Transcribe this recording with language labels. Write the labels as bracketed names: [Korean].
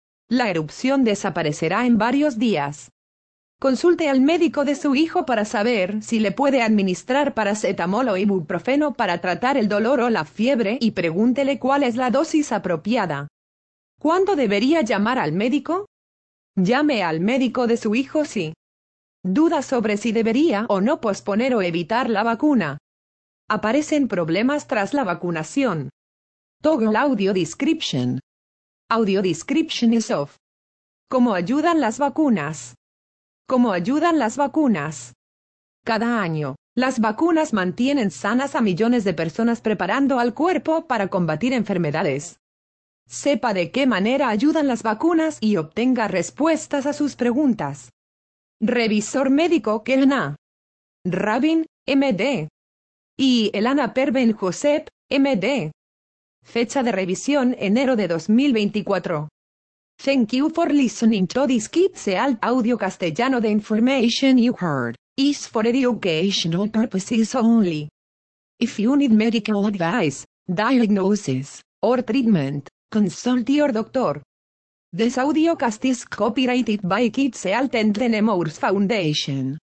[Spanish] La erupción desaparecerá en varios días. Consulte al médico de su hijo para saber si le puede administrar paracetamol o ibuprofeno para tratar el dolor o la fiebre y pregúntele cuál es la dosis apropiada. ¿Cuándo debería llamar al médico? Llame al médico de su hijo si duda sobre si debería o no posponer o evitar la vacuna. Aparecen problemas tras la vacunación. [English] Toggle audio description. Audio description is off. [Spanish] ¿Cómo ayudan las vacunas? ¿Cómo ayudan las vacunas? Cada año, Las vacunas mantienen sanas a millones de personas, preparando al cuerpo para combatir enfermedades. Sepa de qué manera ayudan las vacunas y obtenga respuestas a sus preguntas. Revisor médico Kelna. Rabin, MD. Y Elana Perben Josep, MD. Fecha de revisión, enero de 2024. [English] Thank you for listening to this KidsAlt audio castellano. The information you heard is for educational purposes only. If you need medical advice, diagnosis, or treatment, consult your doctor. This audio cast is copyrighted by KidsAlt and the Nemours Foundation.